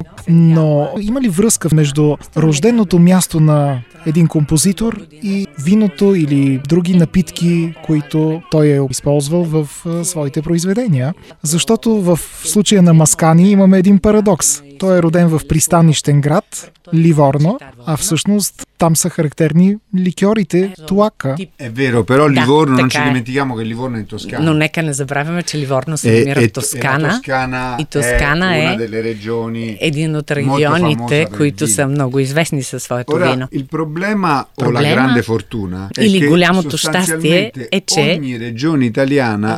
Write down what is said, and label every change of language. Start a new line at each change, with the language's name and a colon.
Bulgarian: Но има ли връзка между рожденото място на един композитор и виното или други напитки, които той е използвал в своите произведения? Защото в случая на Маскани имаме един парадокс. Той е роден в пристанищен град Ливорно, а всъщност там са характерни ликьорите Туака.
Italian: Е веро, però Livorno non ci dimentichiamo che Livorno è in Toscana.
Bulgarian: Но нека не забравяме, че Ливорно се намира в Тоскана. И Тоскана е
Italian: una delle regioni
Bulgarian: един от регионите, които са много известни със своето вино.
Italian: Il problema o la grande fortuna
Bulgarian: или голямото щастие е, че
Italian: ogni regione italiana,